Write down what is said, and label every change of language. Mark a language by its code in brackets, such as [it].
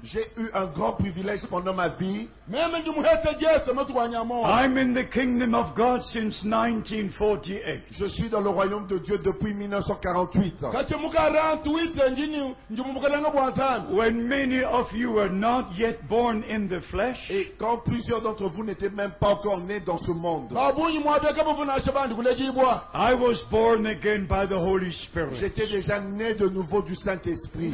[fr] J'ai eu un grand privilège pendant ma vie. [en] I'm in the kingdom of God since 1948. [fr] Je suis dans le royaume de Dieu depuis 1948. [en] When many of you were not yet born in the flesh. [fr] Et quand plusieurs d'entre vous n'étaient même pas encore nés dans ce monde. [en] I was born again by the Holy Spirit. [fr] J'étais déjà né de nouveau du Saint-Esprit.